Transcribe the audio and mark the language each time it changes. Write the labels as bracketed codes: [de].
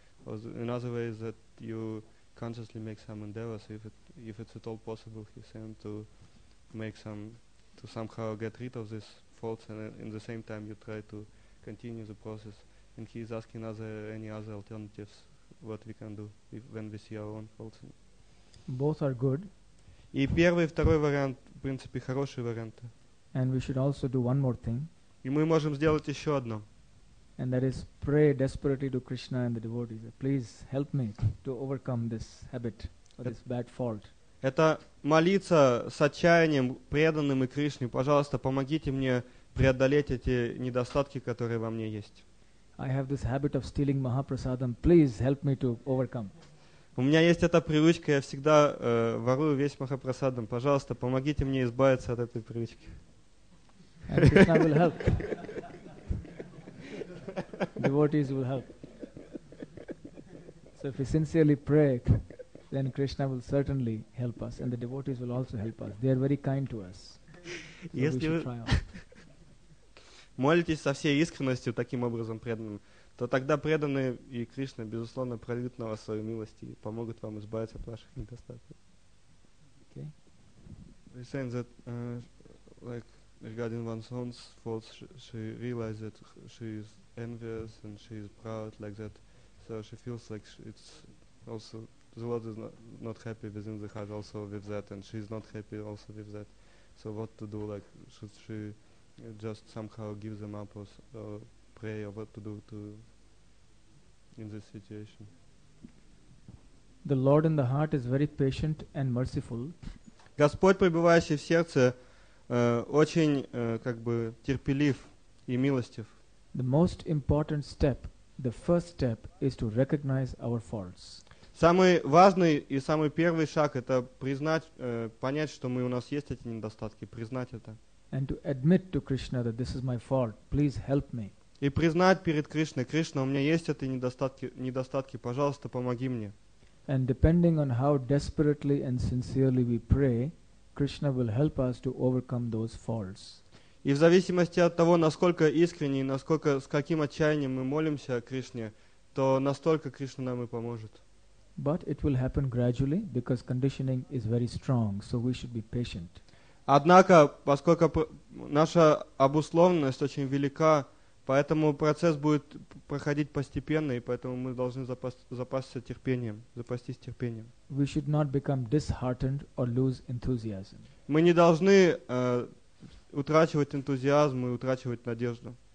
[en] Or another way is that you consciously make some endeavors, if it's at all possible, he's saying, to make some to somehow get rid of these faults, and in the same time you try to continue the process. And he is asking us any other alternatives, what we can do when we see our own faults. Both are good. [ru] И первый и второй вариант, в принципе, хорошие варианты. [en] And we should also do one more thing. [ru] И мы можем сделать еще одно. [en] And that is pray desperately to Krishna and the devotees. Please help me to overcome this habit or this bad fault. [ru] Это молиться с отчаянием преданным и Кришне. Пожалуйста, помогите мне преодолеть эти недостатки, которые во мне есть. [en] I have this habit of stealing Mahaprasadam. Please help me to overcome. [ru] У меня есть эта привычка, я всегда ворую весь Махапрасадам. Пожалуйста, помогите мне избавиться от этой привычки. [en] And Krishna will help. Devotees will help. So if you sincerely pray, then Krishna will certainly help us, and the devotees will also help us. They are very kind to us. [ru] Если вы молитесь со всей искренностью таким образом преданным, то тогда преданные и Кришна безусловно прольют на вас свою милость и помогут вам избавиться от ваших недостатков. [en] Okay. They're saying that, like regarding one's own faults, she realizes that she is envious and she is proud, like that. So she feels like it's also the Lord is not happy within the heart also with that, and she is not happy also with that. So what to do? Like, should she just somehow give them up or pray, or what to do to in this situation? The Lord in the heart is very patient and merciful. [ru] Господь, пребывающий в сердце, очень как бы терпелив и милостив. [en] The most important step, the first step, is to recognize our faults. [ru] Самый важный и самый первый шаг — это признать, понять, что мы, у нас есть эти недостатки, признать это. [en] And to admit to Krishna that this is my fault, please help me. [ru] И признать перед Кришной: Кришна, у меня есть эти недостатки, пожалуйста, помоги мне. [en] And depending on how desperately and sincerely we pray, Krishna will help us to overcome those faults. [ru] И в зависимости от того, насколько искренне и насколько, с каким отчаянием мы молимся Кришне, то настолько Кришна нам и поможет. [en] But it will happen gradually because conditioning is very strong, so we should be patient. [ru] Однако, поскольку наша обусловленность очень велика, поэтому процесс будет проходить постепенно, и поэтому мы должны запастись терпением. [en] We should not become disheartened or lose enthusiasm. [ru] Мы не должны утрачивать энтузиазм и утрачивать надежду.